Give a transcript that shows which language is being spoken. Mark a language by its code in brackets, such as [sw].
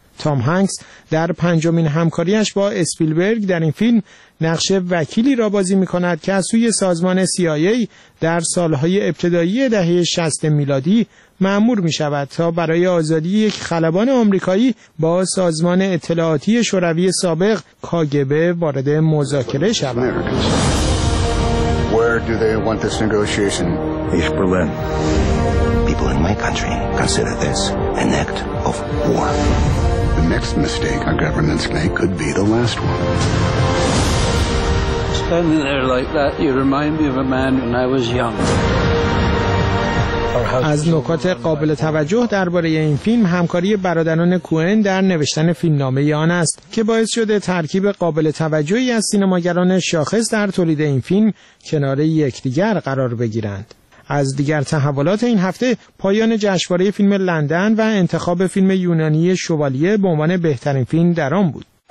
[fa] تام هنکس در پنجمین همکاریش با اسپیلبرگ در این فیلم نقش وکیلی را بازی می‌کند که از سوی سازمان CIA در سال‌های ابتدایی دهه 60 میلادی مأمور می‌شود تا برای آزادی یک خلبان آمریکایی با سازمان اطلاعاتی شوروی سابق KGB وارد مذاکره شود. [en] Where do they want this negotiation? East Berlin. People in my country consider this an act of war. The next mistake our governments make could be the last one. Standing there like that, you remind me of a man when I was young. [fa] از نکات قابل توجه درباره این فیلم همکاری برادران کوئن در نوشتن فیلمنامه آن است که باعث شده ترکیب قابل توجهی از سینماگران شاخص در تولید این فیلم کنار یکدیگر قرار بگیرند. از دیگر تحولات این هفته، پایان جشنواره فیلم لندن و انتخاب فیلم یونانی شوالیه به عنوان بهترین فیلم در آن بود.